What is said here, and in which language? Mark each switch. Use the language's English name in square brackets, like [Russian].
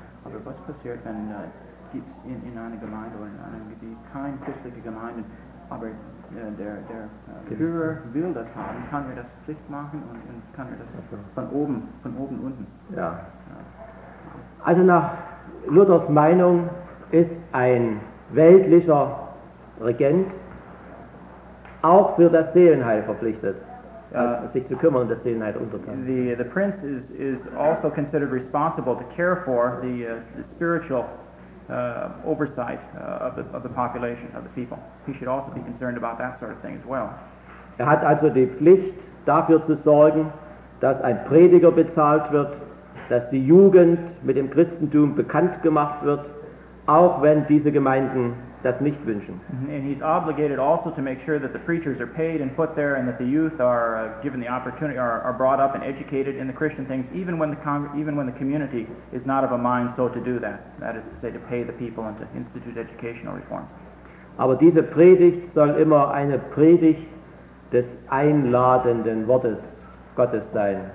[German] Aber was passiert, wenn es in einer Gemeinde oder in einem Gebiet keine christliche Gemeinde, aber der Führer will das haben, kann er das Pflicht machen und kann er das von oben unten? Ja. Also nach Luthers Meinung ist ein weltlicher Regent auch für das Seelenheil verpflichtet. Sich zu kümmern, dass Seelenheil untergeht. [English] The prince is also considered responsible to care for the spiritual oversight of the population, of the people. He should also be concerned about that sort of thing as well. [German] Er hat also die Pflicht, dafür zu sorgen, dass ein Prediger bezahlt wird, dass die Jugend mit dem Christentum bekannt gemacht wird, auch wenn diese Gemeinden das nicht wünschen. [English] And he's obligated also to make sure that the preachers are paid and put there and that the youth are given the opportunity, are brought up and educated in the Christian things, even when the community is not of a mind so to do that. That is to say, to pay the people and to institute educational reform. [German] Aber diese Predigt soll immer eine Predigt des einladenden Wortes Gottes sein.